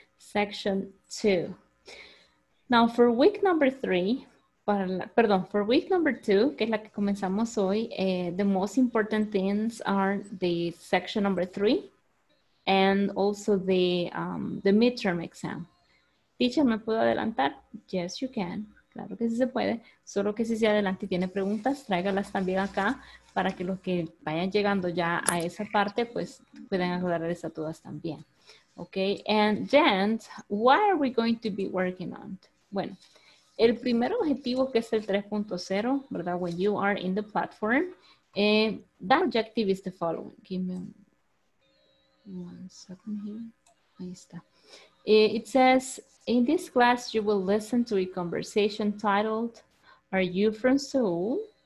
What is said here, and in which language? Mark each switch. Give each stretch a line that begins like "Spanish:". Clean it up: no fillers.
English: Section 2. Now, for week number 3, for week number 2,
Spanish: que es la que comenzamos hoy,
English: the most important things are the section number 3 and also the midterm exam.
Spanish: Teacher, ¿me puedo adelantar?
English: Yes, you can.
Spanish: Claro que sí se puede. Solo que si se adelanta y tiene preguntas, tráigalas también acá para que los que vayan llegando ya a esa parte, pues puedan aclararles a todas también.
English: Okay, and then, what are we going to be working on?
Spanish: Bueno, el primer objetivo que es el 3.0, ¿verdad?
English: When you are in the platform, that objective is the following. Give me one second here.
Spanish: Ahí está.
English: It says, in this class, you will listen to a conversation titled, Are You From Seoul?